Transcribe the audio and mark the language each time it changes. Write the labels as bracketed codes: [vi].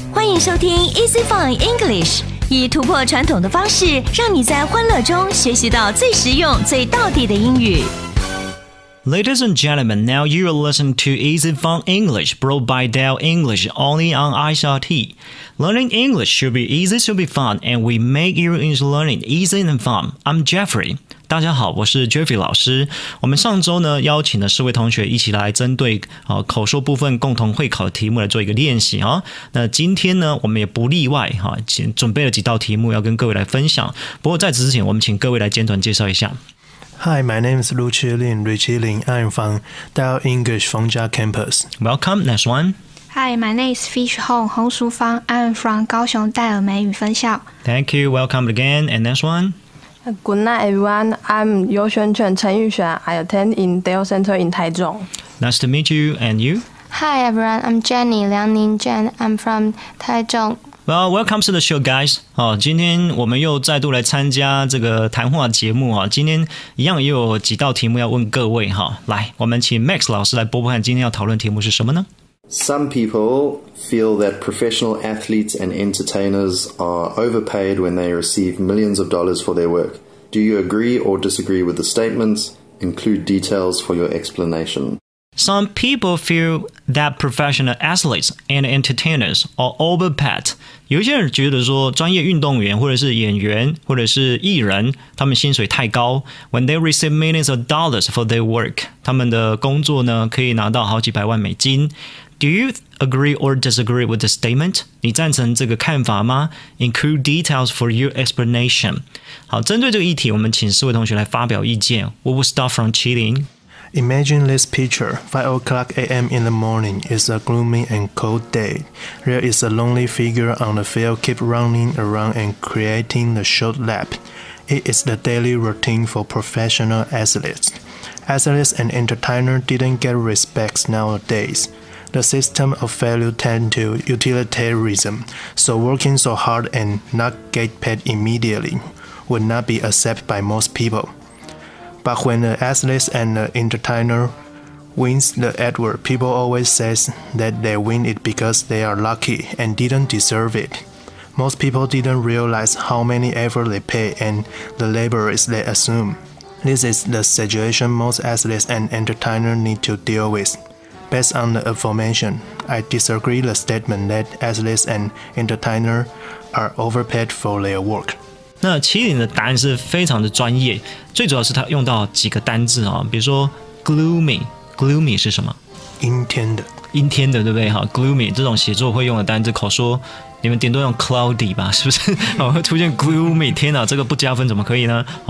[zh] 欢迎收听 Easy Fun English， 以突破传统的方式，让你在欢乐中学习到最实用、最道地的英语。 [en] Ladies and gentlemen, now you are listening to Easy Fun English brought by Dell English only on Icrt. Learning English should be easy, should be fun, and we make your English learning easy and fun. I'm Jeffrey. [zh] 大家好，我是 Jeffrey 老师。我们上周呢邀请了四位同学一起来针对、口说部分共同会考的题目来做一个练习、那今天呢我们也不例外、准备了几道题目要跟各位来分享。不过在此之前，我们请各位来简短介绍一下。 [en] Hi, my name is 呂輪胎CHI-LIN. I'm from Dell English Fengjia Campus. Welcome, next one. Hi, my name is Fish Hong, 洪淑芳.I'm from 高雄戴尔美语分校. Thank you, welcome again, and next one. Good night, everyone. I'm 游玄泉陈玉璇.I attend in Dell Center in 台中. Nice to meet you, and you? Hi, everyone. I'm Jenny, 梁宁 Jen. I'm from 台中. Well, welcome to the show, guys. [zh] 今天我们又再度来参加这个谈话节目、今天一样也有几道题目要问各位、来，我们请 Max 老师来播播看今天要讨论题目是什么呢？ [en] Some people feel that professional athletes and entertainers are overpaid when they receive millions of dollars for their work. Do you agree or disagree with the statements? Include details for your explanation. Some people feel that professional athletes and entertainers are overpaid. [zh] 有些人觉得说专业运动员或者是演员或者是艺人他们薪水太高。 [en] When they receive millions of dollars for their work, [zh] 他们的工作呢可以拿到好几百万美金。 [en] Do you agree or disagree with the statement? [zh] 你赞成这个看法吗? [en] Include details for your explanation. [zh] 好，针对这个议题我们请四位同学来发表意见。 [en] We will start from CHI-LIN. Imagine this picture, 5 o'clock a.m. in the morning, it's a gloomy and cold day. There is a lonely figure on the field keep running around and creating the short lap. It is the daily routine for professional athletes. Athletes and entertainers didn't get respect nowadays. The system of value tends to utilitarianism, so working so hard and not get paid immediately would not be accepted by most people. But when the athlete and the entertainer wins the award, people always say that they win it because they are lucky and didn't deserve it. Most people didn't realize how many effort they pay and the laborers they assume. This is the situation most athletes and entertainers need to deal with. Based on the aforementioned, I disagree the statement that athletes and entertainers are overpaid for their work. [zh] 那麒麟的答案是非常的专业，最主要是他用到几个单字、比如说 gloomy 是什么？阴天的，对不对？gloomy 这种写作会用的单字，口说你们顶多用 cloudy 吧，是不是？会出现 gloomy， 天哪，这个不加分怎么可以呢？